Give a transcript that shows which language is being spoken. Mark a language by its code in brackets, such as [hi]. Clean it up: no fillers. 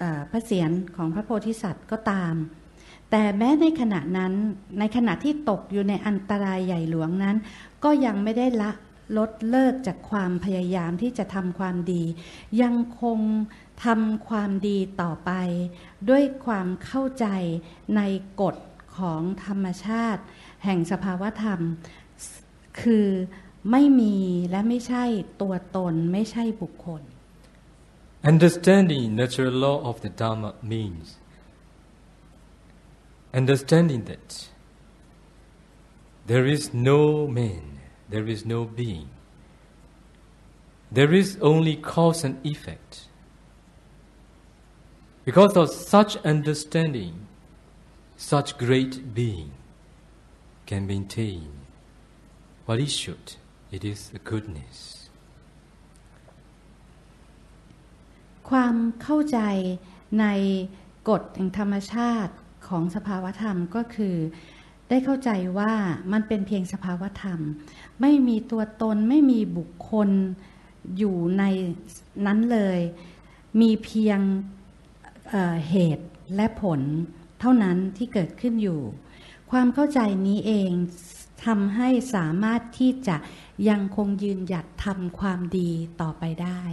[th] พระเศียรของพระโพธิสัตว์ก็ตามแต่แม้ในขณะนั้นในขณะที่ตกอยู่ในอันตรายใหญ่หลวงนั้นก็ยังไม่ได้ละลดเลิกจากความพยายามที่จะทำความดียังคงทำความดีต่อไปด้วยความเข้าใจในกฎของธรรมชาติแห่งสภาวะธรรมคือไม่มีและไม่ใช่ตัวตนไม่ใช่บุคคล [en] Understanding natural law of the Dharma means understanding that there is no man, there is no being. There is only cause and effect. Because of such understanding, such great being can maintain what he should. It is a goodness. [th] ความเข้าใจในกฎแห่งธรรมชาติของสภาวธรรมก็คือได้เข้าใจว่ามันเป็นเพียงสภาวธรรมไม่มีตัวตนไม่มีบุคคลอยู่ในนั้นเลยมีเพียงเหตุและผลเท่านั้นที่เกิดขึ้นอยู่ความเข้าใจนี้เองทำให้สามารถที่จะยังคงยืนหยัดทำความดีต่อไปได